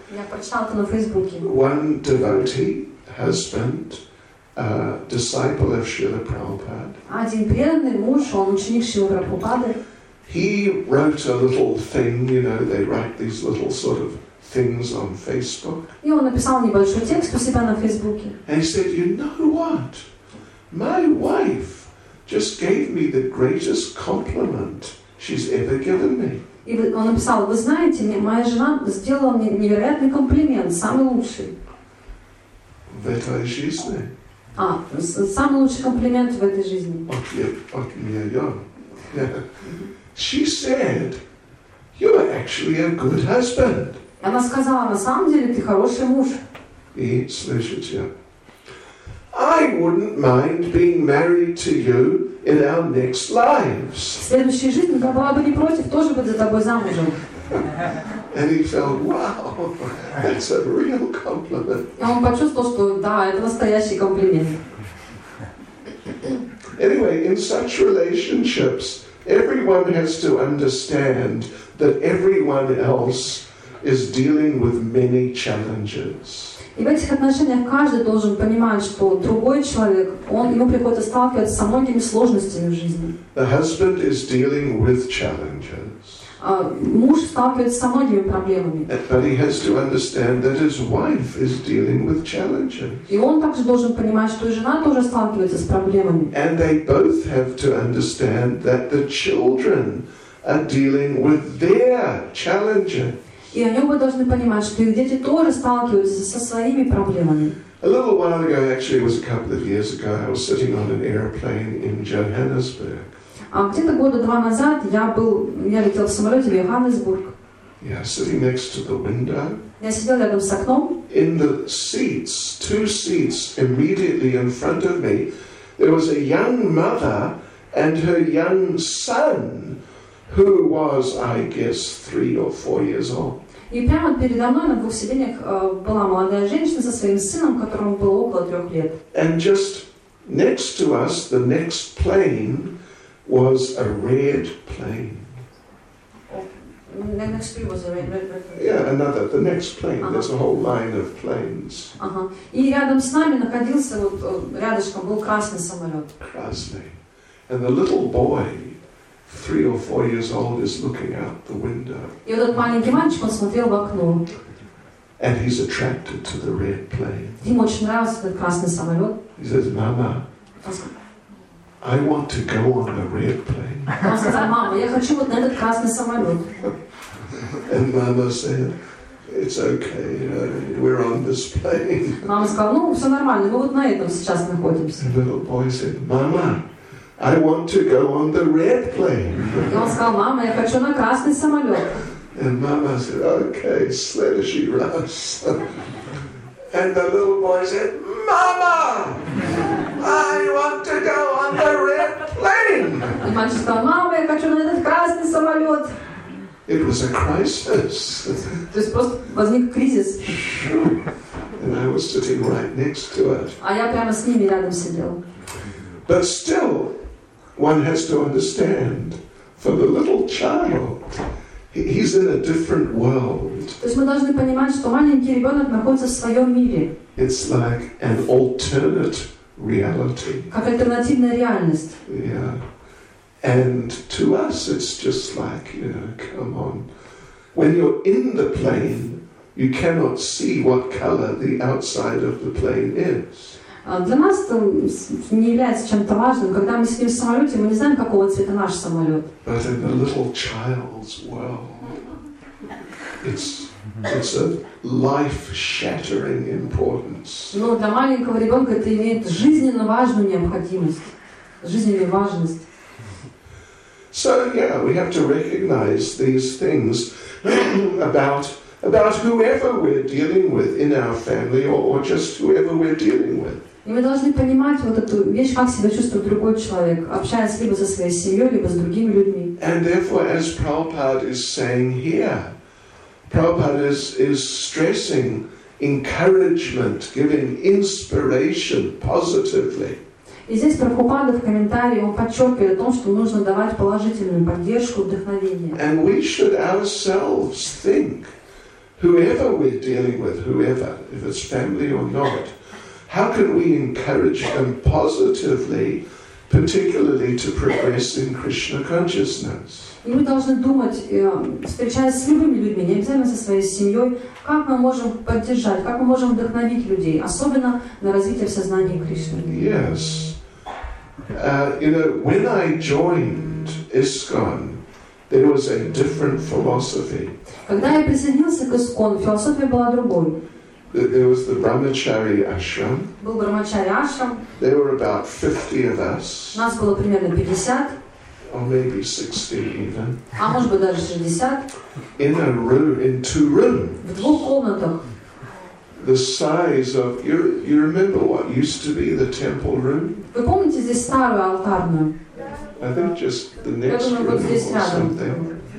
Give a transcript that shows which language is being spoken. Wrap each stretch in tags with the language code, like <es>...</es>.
<ru>Я прочитал это на Фейсбуке.</ru> <en>One devotee. Husband, disciple of Srila Prabhupada.</en> <ru>Один преданный муж, он ученик Шрилы Прабхупады.</ru> <en>He wrote a little thing, you know, they write these little sort of things on Facebook.</en> <ru>И он написал небольшой текст у себя на Фейсбуке.</ru> <en>And he said, you know what? My wife just gave me the greatest compliment she's ever given me.</en> <ru>И он написал, вы знаете, моя жена сделала мне невероятный комплимент, самый лучший. В этой жизни. А, самый лучший комплимент в этой жизни. От меня, я.</ru> <en>She said, you are actually a good husband.</en> <ru>Она сказала, на самом деле ты хороший муж. И слышите,</ru> <en>I wouldn't mind being married to you in our next lives.</en> <ru>В следующей жизни я была бы не против тоже быть за тобой замужем.</ru> <en>And he felt, wow, that's a real compliment.</en> <ru>И он почувствовал, что да, это настоящий комплимент.</ru> <en>Anyway, in such relationships, everyone has to understand that everyone else is dealing with many challenges.</en> <ru>И в этих отношениях каждый должен понимать, что другой человек, он ему приходится сталкиваться со многими сложностями в жизни.</ru> <en>The husband is dealing with challenges.</en> <ru>Муж сталкивается со многими проблемами.</ru> <en>But he has to understand that his wife is dealing with challenges.</en> <ru>И он также должен понимать, что жена тоже сталкивается с проблемами.</ru> <en>And they both have to understand that the children are dealing with their challenges.</en> <ru>И они оба должны понимать, что их дети тоже сталкиваются со своими проблемами.</ru> <en>A little while ago, actually it was a couple of years ago, I was sitting on an airplane in Johannesburg.</en> <ru>А где-то года два назад я летел в самолете в Йоханнесбург.</ru> <en>Yeah, sitting next to the window.</en> <ru>Я сидел рядом с окном.</ru> <en>In the seats, two seats immediately in front of me, there was a young mother and her young son, who was, I guess, 3 or 4 years old.</en> <ru>И прямо передо мной на двух сиденьях была молодая женщина со своим сыном, которому было около 3 лет.</ru> <en>And just next to us, the next plane was a red plane. The next plane was a red. Yeah, another. The next plane. Uh-huh. There's a whole line of planes.</en> <ru>Uh-huh. И рядом с нами находился вот рядышком был красный самолет. Красный.</ru> <en>And the little boy, 3 or 4 years old, is looking out the window.</en> <ru>И этот маленький мальчик, он смотрел в окно.</ru> <en>And he's attracted to the red plane.</en> <ru>Ему очень нравился этот красный самолет.</ru> <en>He says, "Mama, I want to go on the red plane."</en> <ru>Он сказал, мама, я хочу вот на этот красный самолет.</ru> <en>And mama said, "It's okay, we're on this plane."</en> <ru>Мама сказала, ну все нормально, мы вот на этом сейчас находимся.</ru> <en>The little boy said, "Mama, I want to go on the red plane."</en> <ru>И он сказал, мама, я хочу на красный самолет.</ru> <en>And mama said, "Okay, sledishy rush." And the little boy said, "Mama, I want to go on the red plane."</en> <ru>И мальчик сказал, мама, я хочу на этот красный самолет.</ru> <en>It was a crisis.</en> <ru>То есть просто возник кризис.</ru> <en>And I was sitting right next to it.</en> <ru>А я прямо с ними рядом сидел.</ru> <en>But still, one has to understand, for the little child, he's in a different world.</en> <ru>То есть мы должны понимать, что маленький ребенок находится в своем мире.</ru> <en>It's like an alternate reality.</en> <ru>Как альтернативная реальность.</ru> <en>Yeah. And to us, it's just like, you know, come on. When you're in the plane, you cannot see what color the outside of the plane is.</en> <ru>Для нас это не является чем-то важным. Когда мы сидим в самолете, мы не знаем, какого цвета наш самолет.</ru> <en>But in the little child's world, it's a life-shattering importance.</en> <ru>Но для маленького ребенка это имеет жизненно важную необходимость, жизненную важность.</ru> <en>So yeah, we have to recognize these things about whoever we're dealing with in our family or just whoever we're dealing with.</en> <ru>И мы должны понимать вот эту вещь, как себя чувствует другой человек, общаясь либо со своей семьей, либо с другими людьми.</ru> <en>And therefore, as Prabhupada is saying here, Prabhupada is stressing encouragement, giving inspiration positively.</en> <ru>И здесь Прабхупада в комментарии он подчеркивает о том, что нужно давать положительную поддержку, вдохновение.</ru> <en>And we should ourselves think, whoever we're dealing with, whoever, if it's family or not, how can we encourage them positively, particularly to progress in Krishna consciousness?</en> <ru>И мы должны думать, встречаясь с любыми людьми, не обязательно со своей семьей, как мы можем поддержать, как мы можем вдохновить людей, особенно на развитие в сознании Кришны.</ru> <en>Yes. You know, when I joined ISKCON, there was a different philosophy.</en> <ru>Когда я присоединился к ISKCON, философия была другой.</ru> <en>There was the Brahmachari Ashram.</en> <ru>Был Брахмачари Ашрам.</ru> <en>There were about 50 of us.</en> <ru>Нас было примерно 50.</ru> <en>Or maybe 60 even.</en> <ru>А может быть даже 60.</ru> <en>In a room, in two rooms.</en> <ru>В двух комнатах.</ru> <en>The size of you remember what used to be the temple room?</en> <ru>Вы помните здесь старую алтарную?</ru> <en>I think just the next room or something.</en>